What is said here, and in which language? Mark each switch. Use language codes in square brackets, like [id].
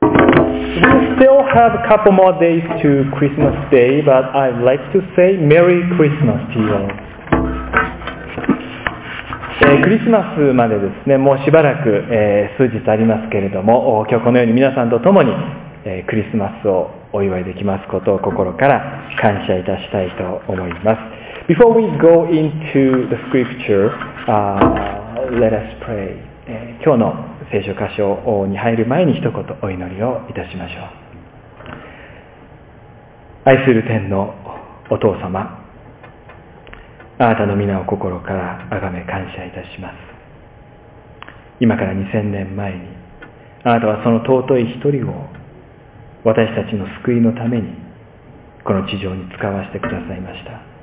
[en] have a couple more days to Christmas Day, but I'd like to say Merry Christmas to you all. [ja] クリスマスまでですね、もうしばらく、数日ありますけれども、今日このように皆さんと共に、クリスマスをお祝いできますことを心から感謝いたしたいと思います。 [en] Before we go into the scripture, let us pray. [ja] 今日の聖書箇所に入る前に一言お祈りをいたしましょう。愛する天のお父様、あなたの皆を心からあがめ感謝いたします。今から2000年前にあなたはその尊い一人を私たちの救いのためにこの地上に使わせてくださいました。